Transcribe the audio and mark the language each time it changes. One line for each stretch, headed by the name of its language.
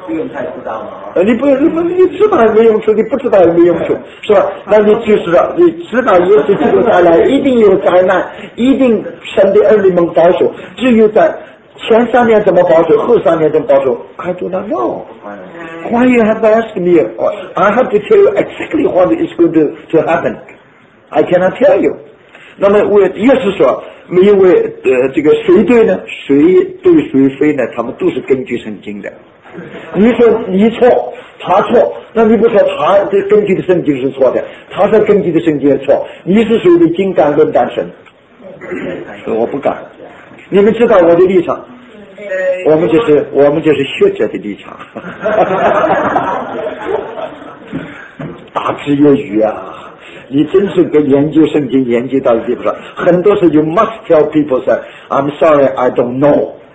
Chinese: 不用太知道吗？你知道没用处，你不知道也没用处，是吧？那你就是你知道耶稣基督再来一定有灾难，一定神的儿女们保守，只有在前3年怎么保守，后3年怎么保守 ？
English: I do not know. Why you have to ask me? I have to tell you exactly what is going to happen. I cannot tell you.
Chinese: 那么我也是说，没有这个谁对呢？谁对谁非呢？他们都是根据圣经的。你说你错，他错，那你不说他的根据的圣经是错的，他说根据的圣经是错，你是属于金刚论单身，所以我不敢。你们知道我的立场，我们就是学者的立场。大智若愚啊，你真是跟研究圣经研究到的地步了。很多时候
English: you must tell people say I'm sorry I don't know。